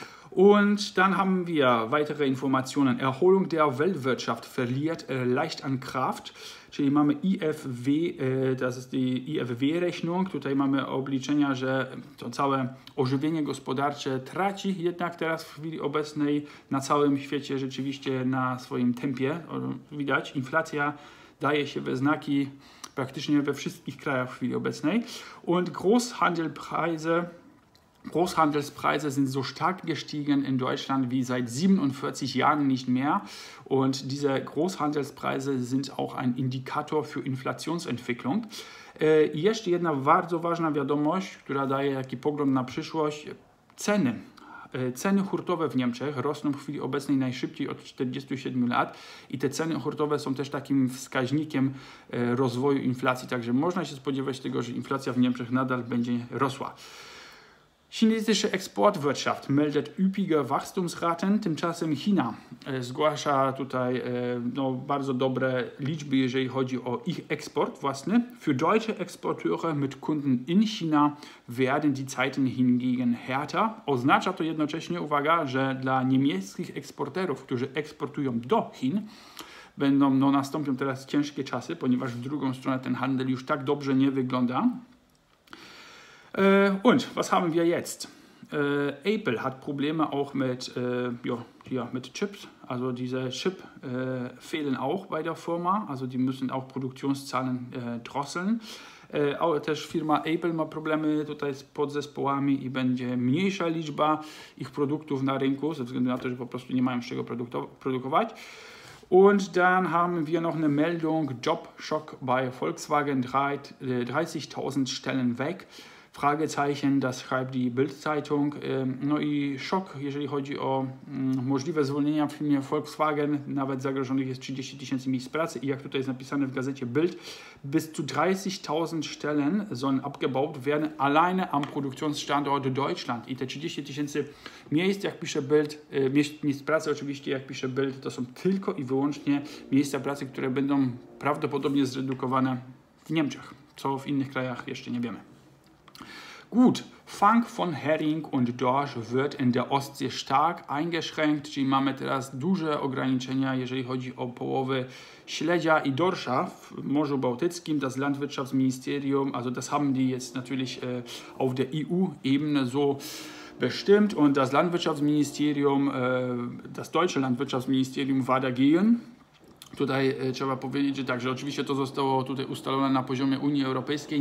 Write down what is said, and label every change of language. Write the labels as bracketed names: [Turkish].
[German] Und dann haben wir weitere Informationen. Erholung der Weltwirtschaft verliert leicht an Kraft. [Polish] Czyli mamy IFW, [German] das ist die IFW-Rechnung. [Polish] Tutaj mamy obliczenia, że to całe ożywienie gospodarcze traci jednak teraz w chwili obecnej na całym świecie rzeczywiście na swoim tempie. Widać, inflacja daje się we znaki praktycznie we wszystkich krajach w chwili obecnej. [German] Und Großhandelpreise Großhandelspreise sind so stark gestiegen in Deutschland wie seit 47 Jahren nicht mehr. Und diese Großhandelspreise sind auch ein Indikator für Inflationsentwicklung. [Polish] Jeszcze jedna bardzo ważna wiadomość, która daje jaki pogląd na przyszłość. Ceny. Ceny hurtowe w Niemczech rosną w chwili obecnej najszybciej od 47 lat i te ceny hurtowe są też takim wskaźnikiem rozwoju inflacji, także można się spodziewać tego, że inflacja w Niemczech nadal będzie rosła. [German] Chinesische Exportwirtschaft meldet üppige Wachstumsraten, [Polish] tymczasem China zgłasza tutaj no, bardzo dobre liczby, jeżeli chodzi o ich eksport własny. [German] Für deutsche Exporteure mit Kunden in China werden die Zeiten hingegen härter. [Polish] Oznacza to jednocześnie, uwaga, że dla niemieckich eksporterów, którzy eksportują do Chin, będą, no, nastąpią teraz ciężkie czasy, ponieważ w drugą stronę ten handel już tak dobrze nie wygląda. [German] Und was haben wir jetzt? Apple hat Probleme auch mit Chips. Also diese Chips fehlen auch bei der Firma. Also die müssen auch Produktionszahlen drosseln. [Polish] Auch też Firma Apple ma Probleme tutaj z podzespołami i będzie mniejsza liczba ich produktów na rynku, ze względu na to, że po prostu nie mają z czego produkować. [German] Und dann haben wir noch eine Meldung. Jobschock bei Volkswagen. 30.000 Stellen weg. Fragezeichen, das schreibt die Bild-Zeitung. [Polish] No i szok, jeżeli chodzi o możliwe zwolnienia w firmie Volkswagen, nawet zagrożonych jest 30 tysięcy miejsc pracy. I jak tutaj jest napisane w gazecie Bild, [German] bis zu 30.000 Stellen sollen abgebaut werden, alleine am Produktionsstandort Deutschland. [Polish] I te 30 tysięcy miejsc, jak pisze Bild, miejsc pracy oczywiście, jak pisze Bild, to są tylko i wyłącznie miejsca pracy, które będą prawdopodobnie zredukowane w Niemczech, co w innych krajach jeszcze nie wiemy. [German] Gut, Fang von Hering und Dorsch wird in der Ostsee stark eingeschränkt, [Polish] czyli mamy teraz duże ograniczenia, jeżeli chodzi o połowy śledzia i dorsza w Morzu Bałtyckim. [German] Das Landwirtschaftsministerium, also das haben die jetzt natürlich auf der EU-Ebene so bestimmt, und das Landwirtschaftsministerium, das deutsche Landwirtschaftsministerium war dagegen. [Polish] Tutaj trzeba powiedzieć, że także oczywiście to zostało tutaj ustalone na poziomie Unii Europejskiej.